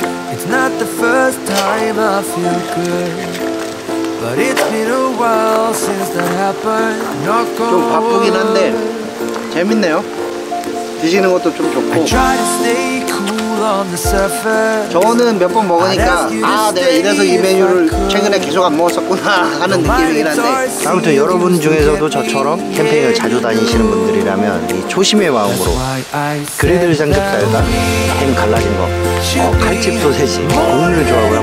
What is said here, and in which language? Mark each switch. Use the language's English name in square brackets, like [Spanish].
[English] It's not the first time I feel good, but it's been a while since that happened. [Korean] 좀 바쁘긴 한데 재밌네요. 드시는 것도 좀 좋고. [English] I try to stay cool on the surface. [Korean] 저는 몇 번 먹으니까 아, 내가 이래서 이 메뉴를 최근에 계속 안 먹었었구나 하는 느낌이긴 한데. 아무튼 여러분 중에서도 저처럼 캠핑을 자주 다니시는 분들이라면 이 초심의 마음으로 그리들 삼겹살과 햄 갈라진 거, 칼집 소세지, 국물을 좋아하고요.